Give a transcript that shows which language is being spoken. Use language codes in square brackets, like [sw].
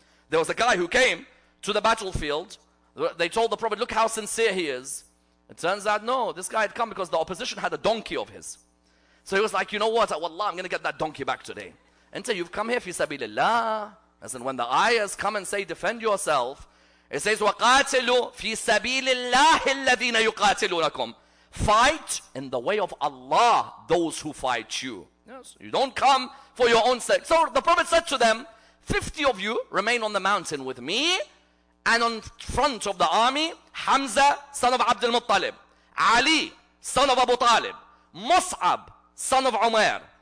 [en] There was a guy who came to the battlefield. They told the Prophet, look how sincere he is. It turns out, no, this guy had come because the opposition had a donkey of his. So he was like, you know what? Wallah, I'm going to get that donkey back today. And so you've come here, fi sabilillah. As in when the ayahs come and say, defend yourself. It says, [ar] وَقَاتِلُوا فِي سَبِيلِ اللَّهِ الَّذِينَ يُقَاتِلُونَكُمْ. [en] Fight in the way of Allah, those who fight you. Yes. You don't come for your own sake. So the Prophet said to them, 50 of you remain on the mountain with me and on front of the army, Hamza, son of Abdul Muttalib, Ali, son of Abu Talib, Mus'ab, son of Umar.